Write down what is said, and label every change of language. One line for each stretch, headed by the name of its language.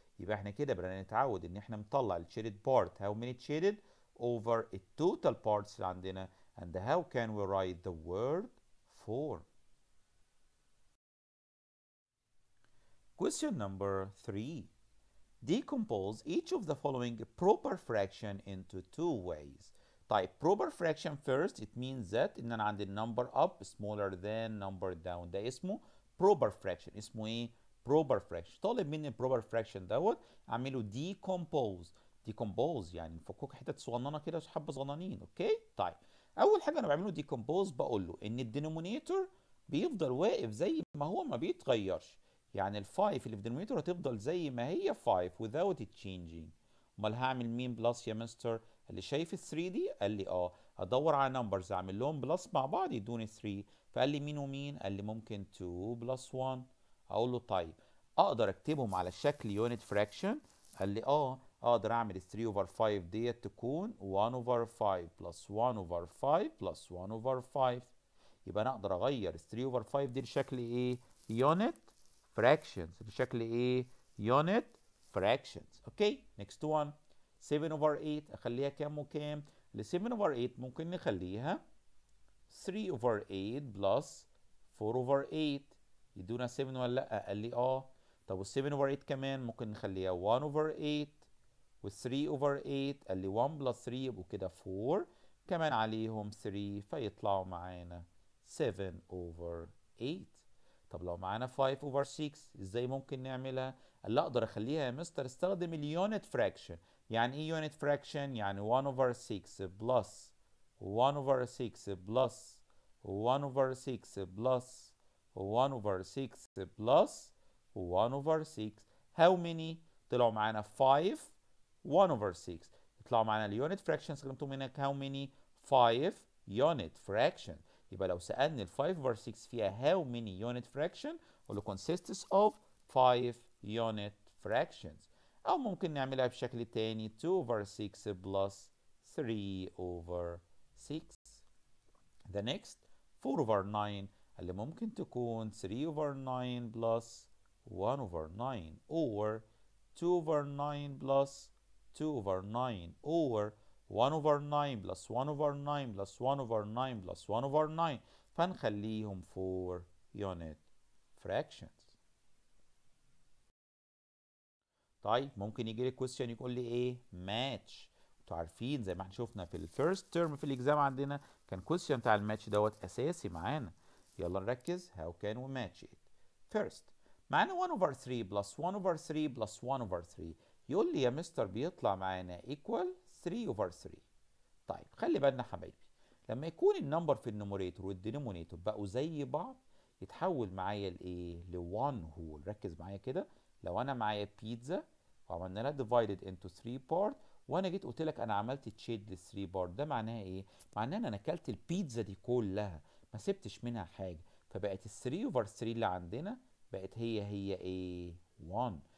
Arabic: يبقى احنا كده بدنا نتعود ان احنا نطلع ال shaded part.
English: How many shaded over the total parts
Arabic: اللي عندنا.
English: And how can we write the word 4? Question number 3. Decompose each of the following proper fraction into two ways. Type proper fraction first. It means that
Arabic: إن أنا عندي
English: number up smaller than number down.
Arabic: ده اسمه proper fraction. اسمه إيه؟ Proper fraction. طالب مني proper fraction دوت أعمله decompose. Decompose يعني نفكك حتت صغننة كده حبة صغننين. Okay؟ طيب. أول حاجة أنا بعمله decompose بقول له إن الدينومينيتور بيفضل واقف زي ما هو ما بيتغيرش. يعني ال 5 اللي في الدينومينيتور هتفضل زي ما هي 5
English: without it changing.
Arabic: امال هعمل مين بلس يا مستر؟ اللي شايف ال 3 دي؟ قال لي اه. ادور على نمبرز اعمل لهم بلس مع بعض يدوني 3. فقال لي مين ومين؟ قال لي ممكن 2 بلس 1. اقول له طيب اقدر اكتبهم على شكل يونت فراكشن؟ قال لي اه. اقدر اعمل 3 over 5 ديت تكون 1 over 5 بلس 1 over 5 بلس 1 over 5. يبقى انا اقدر اغير 3 over 5 دي لشكل ايه؟ يونت fractions. بشكل ايه؟ unit fractions.
English: Okay. Next one. 7 over 8.
Arabic: اخليها كام وكام؟ ل 7 over 8 ممكن نخليها 3 over 8 plus 4 over 8. يدونا 7 ولا لا؟ قال لي اه. طب وال 7 over 8 كمان ممكن نخليها 1 over 8 وال 3 over 8. قال لي 1 plus 3 يبقوا كده 4. كمان عليهم 3 فيطلعوا معانا 7 over 8. طب لو معانا 5 over 6 ازاي ممكن نعملها؟ قال لي اقدر اخليها يا مستر استخدم الـ unit fraction. يعني ايه unit fraction؟ يعني 1 over 6 plus 1 over 6 plus 1 over 6 plus 1 over 6 plus 1 over 6. How many؟ طلعوا معانا 5 1 over 6. طلعوا معانا الـ unit fraction استخدمتوا منك
English: how many؟
Arabic: 5 unit fraction. يبقى لو سألني ال 5 over 6 فيها how many unit fraction قول له
English: consists of 5 unit fractions.
Arabic: أو ممكن نعملها بشكل تاني 2 over 6 plus 3 over 6.
English: The next 4 over 9
Arabic: اللي ممكن تكون
English: 3 over 9 plus 1 over 9 or 2 over 9 plus 2 over 9 or 1 over 9 plus 1 over 9 plus 1 over 9 plus 1 over 9.
Arabic: فنخليهم 4 unit fractions. طيب ممكن يجي لي question يقول لي ايه؟ match. انتوا عارفين زي ما احنا شفنا في الفيرست ترم في الاكزام عندنا كان question بتاع الماتش دوت اساسي معانا. يلا نركز
English: how can we match it. First
Arabic: معانا
English: 1 over 3 plus 1 over 3 plus 1 over 3.
Arabic: يقول لي يا مستر بيطلع معانا equal 3 over 3. طيب خلي بالنا حبايبي لما يكون النمبر في النوميريتور والدينومينيتور بقوا زي بعض يتحول معايا لايه؟ ل 1 هول. ركز معايا كده لو انا معايا بيتزا وعملنا لها divided into three part، وانا جيت قلت لك انا عملت تشيد ال 3 بارت، ده معناها ايه؟ معناها ان انا اكلت البيتزا دي كلها ما سبتش منها حاجه، فبقت ال 3 اوفر 3 اللي عندنا بقت هي هي ايه؟ 1.